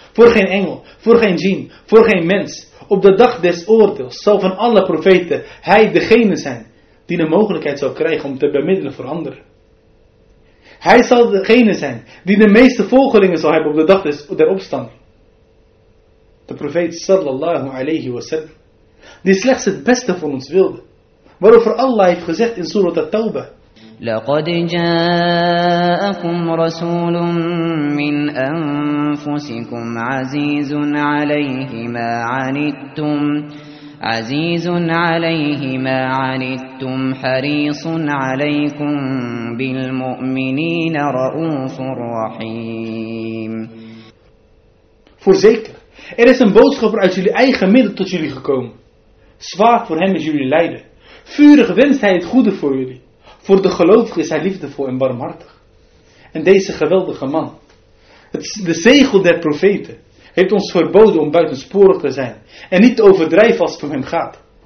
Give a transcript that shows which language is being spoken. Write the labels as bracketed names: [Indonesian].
[Dutch] Voor geen engel, voor geen jin, voor geen mens. Op de dag des oordeels zal van alle profeten hij degene zijn die de mogelijkheid zal krijgen om te bemiddelen voor anderen. Hij zal degene zijn die de meeste volgelingen zal hebben op de dag der opstanding. De profeet sallallahu alayhi wa sallam, die slechts het beste voor ons wilde, waarover Allah heeft gezegd in Surat At-Tawbah: [Arabic] لقد جاءكم رسول من أنفسكم عزيز عليه ما عنتم حريص عليكم بالمؤمنين رؤوف رحيم. [Dutch] Voorzeker, er is een boodschapper uit jullie eigen midden tot jullie gekomen. Zwaar voor hem is jullie lijden. Vurig wenst hij het goede voor jullie. Voor de gelovigen is hij liefdevol en barmhartig. En deze geweldige man, de zegel der profeten, heeft ons verboden om buitensporig te zijn en niet te overdrijven als het om hem gaat.